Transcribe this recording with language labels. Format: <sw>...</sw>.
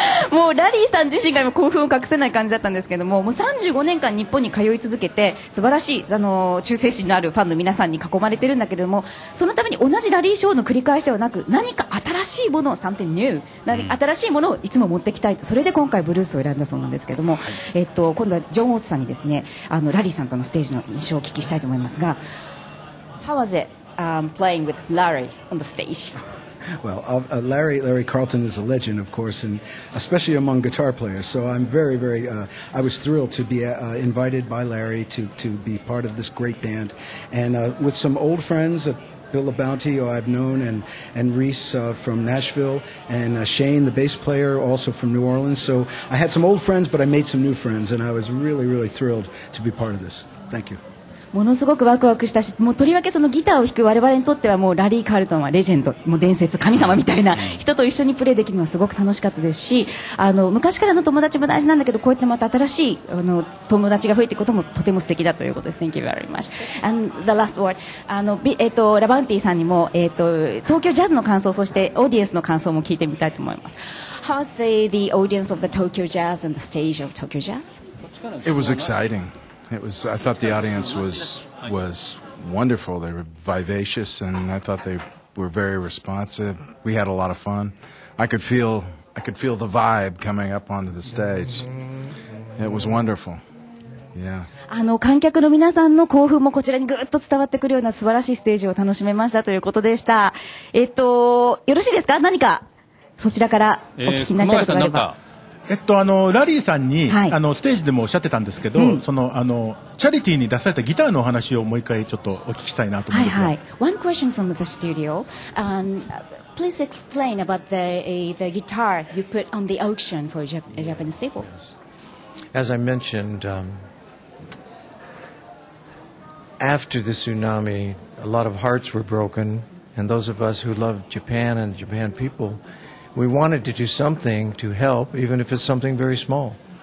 <ja>もうラリーさん自身が今興奮を隠せない感じだったんですけども、もう35年間日本に通い続けて、素晴らしい忠誠心のあるファンの皆さんに囲まれてるんだけども、そのために同じラリーショーの繰り返しではなく、何か新しいものを、</ja> <en>something new、</en> <ja>新しいものをいつも持ってきたいと、それで今回ブルースを選んだそうなんですけども、今度はジョン・オーツさんにですね、ラリーさんとのステージの印象をお聞きしたいと思いますが、</ja> <en>How was it, playing with Larry on the stage? Well, Larry Carlton is a legend, of course, and especially among guitar players. So I'm very, very, I was thrilled to be invited by Larry to be part of this great band. And with some old friends, Bill the Bounty, who I've known, and Reese from Nashville, and Shane, the bass player, also from New Orleans. So I had some old friends, but I made some new friends, and I was really, really thrilled to be part of this. Thank you.</en> <ja>ものすごくワクワクしたし、もうとりわけそのギターを弾く我々にとってはもうラリー・カールトンはレジェンド、もう伝説、神様みたいな人と一緒にプレイできるのはすごく楽しかったですし、昔からの友達も大事なんだけど、こうやってまた新しい友達が増えていくこともとても素敵だということで、</ja> <en>Thank you very much. And the last word.</en> <ja>ラバンティさんにも、東京ジャズの感想、そしてオーディエンスの感想も聞いてみたいと思います。</ja> <en>How was the audience of the Tokyo Jazz and the stage of Tokyo Jazz? It was excitingI thought the audience was wonderful. They were vivacious, and I thought they were very responsive. We had a lot of fun. I could feel the vibe coming up onto the stage. It was wonderful.</en> <ja>観客の皆さんの興奮もこちらにぐっと伝わってくるような素晴らしいステージを楽しめましたということでした。よろしいですか、何かそちらからお聞きになりたいことがあれば。ラリーさんに、はい、ステージでもおっしゃってたんですけど、うん、チャリティーに出されたギターのお話をもう一回ちょっとお聞きしたいなと思うんですが、はいはい、</ja> <en>One question from the studio、Please explain about the guitar you put on the auction for Japanese people. As I mentioned, after the tsunami, a lot of hearts were broken, and those of us who love Japan and Japan people, we wanted to do something to help, even if it's something very small.</en>